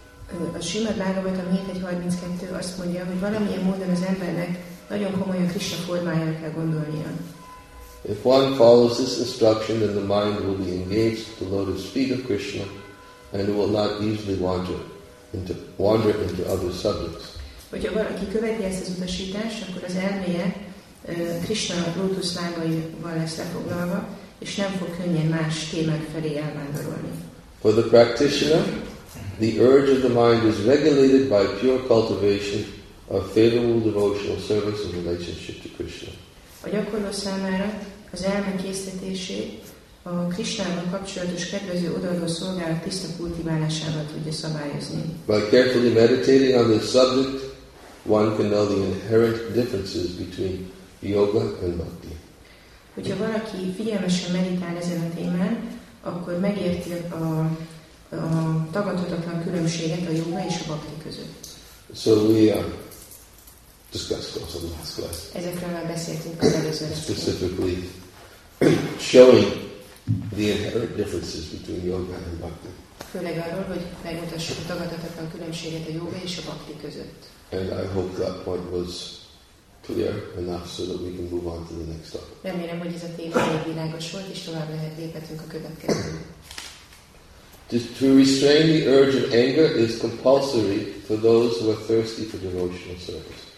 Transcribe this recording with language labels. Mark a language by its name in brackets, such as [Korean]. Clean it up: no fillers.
[Hungarian] A Srimad Bhagavatam 7.132 azt mondja, hogy valamilyen módon az embernek nagyon komolyan Krishna formájára kell gondolnia. [English] If one follows this instruction, then the mind will be engaged at the lotus feet of Krishna and will not easily wander into other subjects. [Hungarian] Hogyha valaki követi ezt az utasítást, akkor az elméje Krishna lotus lábaival lesz lefoglalva, és nem fog könnyen más témák felé elvándorolni. [English] For the practitioner, the urge of the mind is regulated by pure cultivation of favorable devotional service in relationship to Krishna. [Hungarian] A gyakorló számára az elme készítésé a Krisnával kapcsolatos kedvező odaadó szolgálat tiszta kultiválásával tudja szabályozni. [English] By carefully meditating on this subject, one can know the inherent differences between yoga and bhakti. [Hungarian] Hogyha valaki figyelmesen meditál ezen a témán, akkor megérti a tagadhatatlan különbséget a yoga és a bhakti között. [English] So we discussed also in the last class. Specifically showing the inherent differences between yoga and bhakti. [Hungarian] Főleg arról, hogy megmutassuk a tagadhatatlan különbséget a yoga és a bhakti között. [English] And I hope that point was clear enough so that we can move on to the next topic. [Hungarian] Remélem, hogy ez a téma elég világos volt, és tovább lehet léphetünk a következőre. [English] To restrain the urge of anger is compulsory for those who are thirsty for devotional service.